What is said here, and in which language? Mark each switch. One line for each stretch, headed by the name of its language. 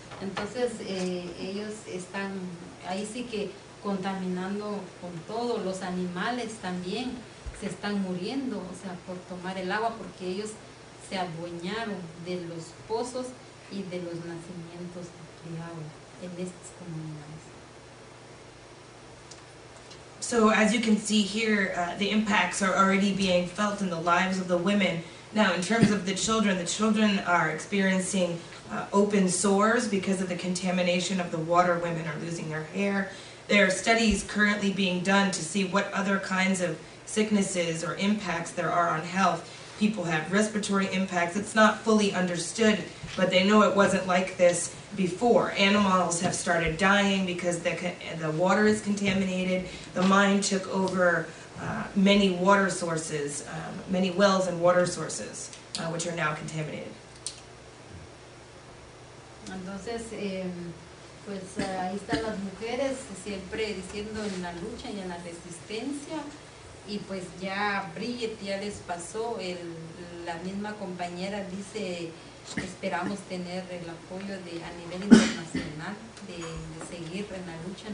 Spanish: Entonces ellos están ahí sí que contaminando con todo. Los animales también se están muriendo, o sea, por tomar el agua, porque ellos se adueñaron de los pozos y de los nacimientos de agua en estas comunidades.
English: So as you can see here, the impacts are already being felt in the lives of the women. Now, in terms of the children are experiencing open sores because of the contamination of the water. Women are losing their hair. There are studies currently being done to see what other kinds of sicknesses or impacts there are on health. People have respiratory impacts. It's not fully understood, but they know it wasn't like this before. Animals have started dying because the water is contaminated. The mine took over many water sources, many wells and water sources, which are now contaminated.
Spanish: Entonces, pues ahí están las mujeres siempre diciendo en la lucha y en la resistencia. Y pues ya Bridget ya les pasó, la misma compañera dice, esperamos tener el apoyo a nivel internacional de seguir en la lucha.